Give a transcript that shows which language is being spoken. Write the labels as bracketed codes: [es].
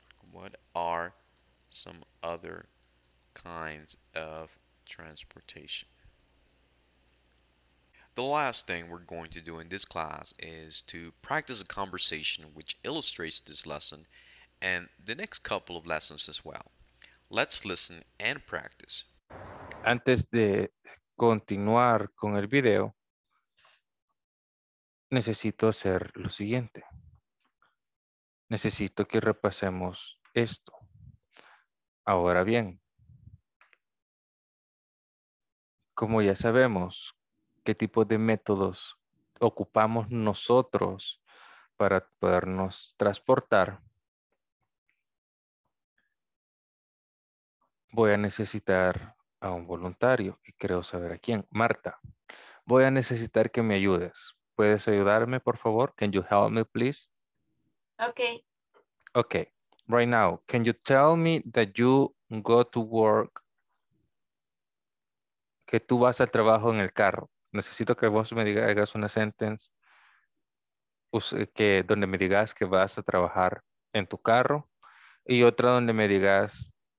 [en] What are some other kinds of transportation? The last thing we're going to do in this class is to practice a conversation which illustrates this lesson and the next couple of lessons as well. Let's listen and practice. [es] Antes de continuar con el video, necesito hacer lo siguiente. Necesito que repasemos esto. Ahora bien, como ya sabemos qué tipo de métodos ocupamos nosotros para podernos transportar, voy a necesitar a un voluntario y creo saber a quién. Marta, voy a necesitar que me ayudes. ¿Puedes ayudarme, por favor? [en] Can you help me, please? Okay. Okay. Right now, can you tell me that you go to work? [es] Que tú vas al trabajo en el carro. Necesito que vos me digas, hagas una sentence que, donde me digas que vas a trabajar en tu carro y otra donde me digas